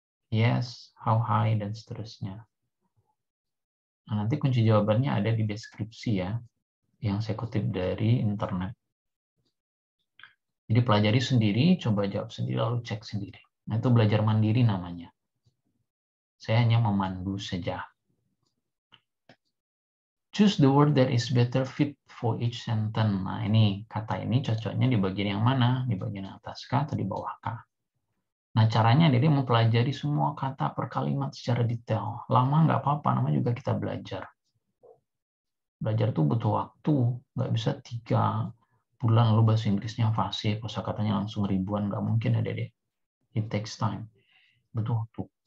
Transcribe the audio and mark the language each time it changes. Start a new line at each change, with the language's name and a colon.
English: Yes, how high,
Indonesian: dan seterusnya. Nah, nanti kunci jawabannya ada di deskripsi ya, yang saya kutip dari internet. Jadi pelajari sendiri, coba jawab sendiri, lalu cek sendiri. Nah, itu belajar mandiri namanya. Saya hanya memandu saja.
English: Choose the word that is better fit for each sentence.
Indonesian: Nah, ini kata ini cocoknya di bagian yang mana? Di bagian atas kah atau di bawah kah? Nah, caranya Dede mempelajari semua kata per kalimat secara detail. Lama nggak apa-apa, namanya juga kita belajar. Belajar itu butuh waktu. Nggak bisa 3 bulan lalu bahasa Inggrisnya fasih, kosa katanya langsung ribuan. Nggak mungkin ya, Dede.
English: It takes time.
Indonesian: Butuh waktu.